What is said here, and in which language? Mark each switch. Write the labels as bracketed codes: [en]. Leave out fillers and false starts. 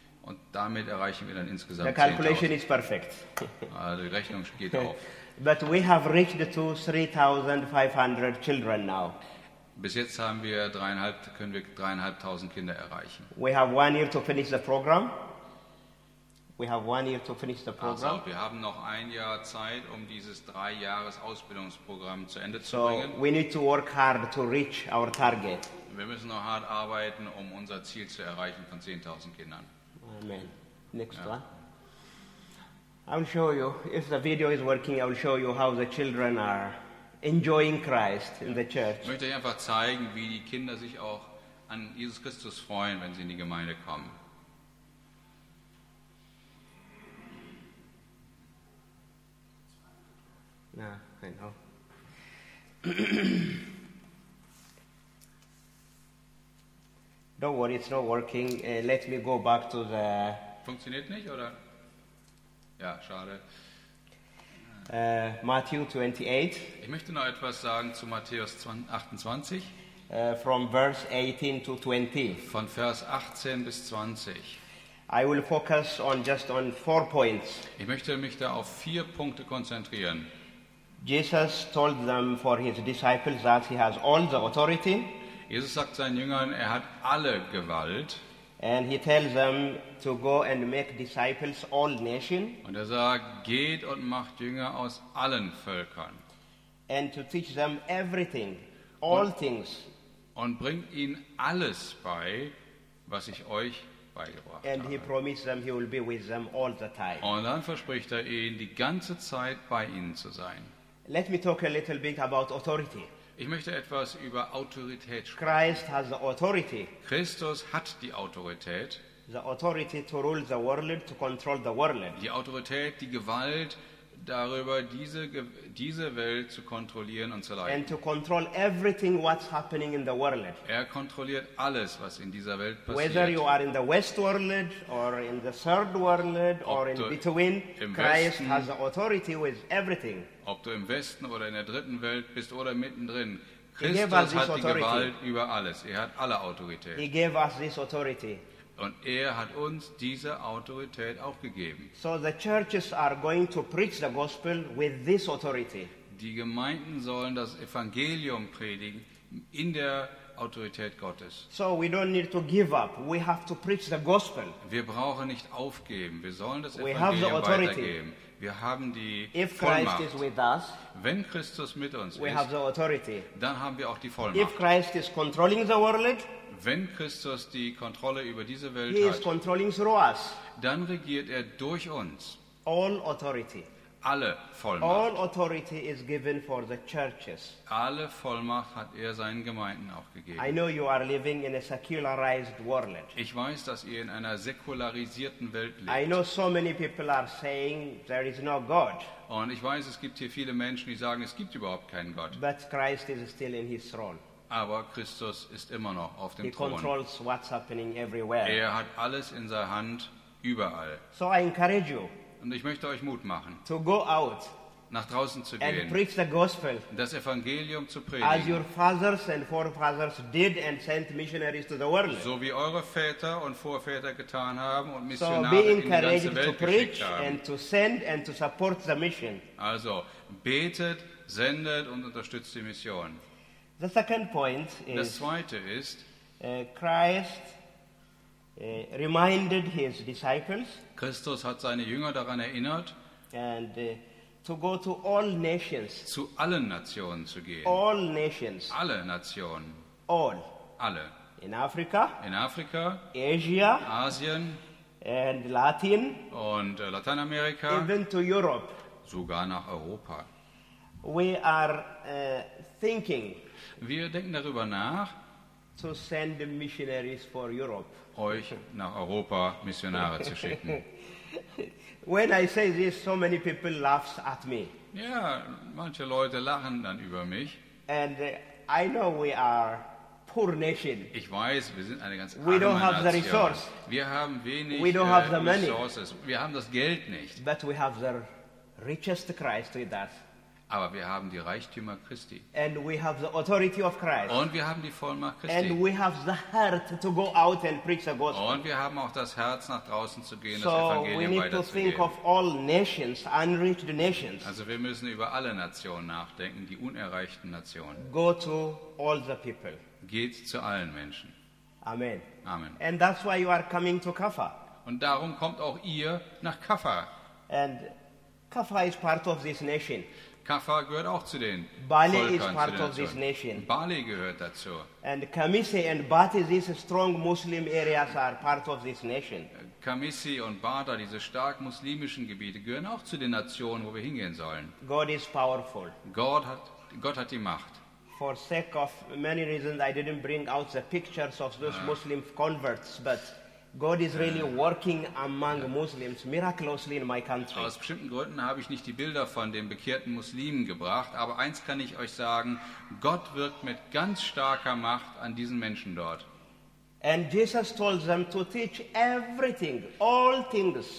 [de] Und damit erreichen wir dann insgesamt [en] 10,000. Is perfect. [de] Also die Rechnung geht auf. [en] But we have reached to 3,500 children now. [de] Bis jetzt haben wir können wir 3,500 Kinder erreichen. [en] We have 1 year to finish the program. We have 1 year to finish the program. [de] Also, wir haben noch ein Jahr Zeit, um dieses 3-Jahres-Ausbildungsprogramm zu Ende zu bringen. [en] So we need to work hard to reach our target. [de] Wir müssen noch hart arbeiten, um unser Ziel zu erreichen von 10,000 Kindern. [en] Amen. Next one. I will show you, if the video is working, I will show you how the children are enjoying Christ in the church. [de] Ich möchte einfach zeigen, wie die Kinder sich auch an Jesus Christus freuen, wenn sie in die Gemeinde kommen. [en] Yeah, I know. Don't worry, it's not working. Let me go back to the... [de] Funktioniert nicht, oder? Ja, schade. [en] Matthew 28. [de] Ich möchte noch etwas sagen zu Matthäus 28. [en] From verse 18 to 20. [de] Von Vers 18 bis 20. [en] I will focus on just on 4 points. [de] Ich möchte mich da auf 4 Punkte konzentrieren. [en] Jesus told them for his disciples that he has all the authority. [de] Jesus sagt seinen Jüngern, er hat alle Gewalt. [en] And he tells them to go and make disciples all nations. [de] Und er sagt, geht und macht Jünger aus allen Völkern. [en] And to teach them everything, all things. [de] Und bringt ihnen alles bei, was ich euch beigebracht habe. [en] And he promised them he will be with them all the time. [de] Und dann verspricht er ihnen, die ganze Zeit bei ihnen zu sein. [en] Let me talk a little bit about authority. [de] Ich möchte etwas über Autorität sprechen. [en] Christ has the authority. [de] Christus hat die Autorität. [en] The authority to rule the world, to control the world. [de] Die Autorität, die Gewalt darüber, diese Welt zu kontrollieren und zu leiten. [en] And to control everything what's happening in the world. [de] Er kontrolliert alles, was in dieser Welt passiert. [en] Whether you are in the West world or in the Third world or in between, Christ has the authority with everything. [de] Ob du im Westen oder in der dritten Welt bist oder mittendrin, Christus hat die Gewalt über alles. Er hat alle Autorität. [en] He gave us this authority. [de] Und er hat uns diese Autorität auch gegeben. [en] So the churches are going to preach the gospel with this authority. [de] Die Gemeinden sollen das Evangelium predigen in der Autorität Gottes. [en] So we don't need to give up. We have to preach the gospel. [de] Wir brauchen nicht aufgeben. Wir sollen das Evangelium weitergeben. Wir haben die [en] if Christ is with us, [de] wenn Christus mit uns [en] we [de] ist, [en] have the authority. [de] Dann haben wir auch die Vollmacht. [en] If Christ is controlling the world, [de] wenn Christus die Kontrolle über diese Welt [en] he [de] hat, [en] is controlling through us. [de] Dann regiert er durch uns. [en] All authority. [de] Alle Vollmacht. [en] All authority is given for the churches. [de] Alle Vollmacht hat er seinen Gemeinden auch gegeben. [en] I know you are living in a secularized world. [de] Ich weiß, dass ihr in einer säkularisierten Welt lebt. [en] I know so many people are saying there is no God. [de] Und ich weiß, es gibt hier viele Menschen, die sagen, es gibt überhaupt keinen Gott. [en] But Christ is still in his throne. [de] Aber Christus ist immer noch auf dem [en] he [de] Thron. [en] Controls what's happening everywhere. [de] Er hat alles in seiner Hand, überall. [en] So I encourage you. [de] Und ich möchte euch Mut machen, [en] to go out [de] nach draußen zu gehen [en] and preach the gospel, [de] das Evangelium zu predigen, [en] as your fathers and forefathers did and sent missionaries to the world. [de] So wie eure Väter und Vorväter getan haben und Missionare [en] so [de] in die ganze Welt geschickt haben. [en] And to send and to support the mission. [de] Also betet, sendet und unterstützt die Mission. [en] The second point is, [de] das zweite ist, [en] Christ reminded his disciples, [de] Christus hat seine Jünger daran erinnert, [en] and, to go to all nations, [de] zu allen Nationen zu gehen. [en] All nations, [de] alle Nationen. [en] All. [de] Alle. In Afrika. In Afrika. [en] Asia. [de] Asien. [en] And Latin. [de] Und Lateinamerika. [en] Even to Europe. [de] Sogar nach Europa. [en] We are thinking. [de] Wir denken darüber nach. [en] To send missionaries for Europe. [de] Euch nach Europa Missionare zu schicken. [en] When I say this, so many people laughs at me. [de] Ja, manche Leute lachen dann über mich. [en] And I know we are poor nation. [de] Ich weiß, wir sind eine ganz arme [en] Nation. We don't have the resource. [de] Wir haben wenig [en] we don't have the resources. Money. [de] Wir haben das Geld nicht. [en] But we have the richest Christ with us. [de] Aber wir haben die Reichtümer Christi. [en] And we have the authority of Christ. [de] Und wir haben die Vollmacht Christi. [en] And we have the heart to go out and preach the gospel. [de] Und wir haben auch das Herz, nach draußen zu gehen, das [en] so [de] Evangelium weiterzugeben. [en] So we need to think of all nations, unreached nations. [de] Also wir müssen über alle Nationen nachdenken, die unerreichten Nationen. [en] Go to all the people. [de] Geht zu allen Menschen. [en] Amen. [de] Amen. [en] And that's why you are coming to Kaffa. [de] Und darum kommt auch ihr nach Kaffa. [en] And Kaffa is part of this nation. [de] Kaffa gehört auch zu den [en] Bali [de] Volkern, [en] is part [de] zu den Nationen. Bali gehört dazu. [en] And Kamisi and Bata, these strong Muslim areas are part of this nation. [de] Kamisi und Bata, diese stark muslimischen Gebiete, gehören auch zu den Nationen, wo wir hingehen sollen. [en] God is powerful. [de] Gott hat die Macht. [en] For sake of many reasons, I didn't bring out the pictures of those Muslim converts, but God is really working among Muslims miraculously in my country. [de] Aus bestimmten Gründen habe ich nicht die Bilder von den bekehrten Muslimen gebracht, aber eins kann ich euch sagen, Gott wirkt mit ganz starker Macht an diesen Menschen dort. [en] And Jesus told them to teach everything, all things.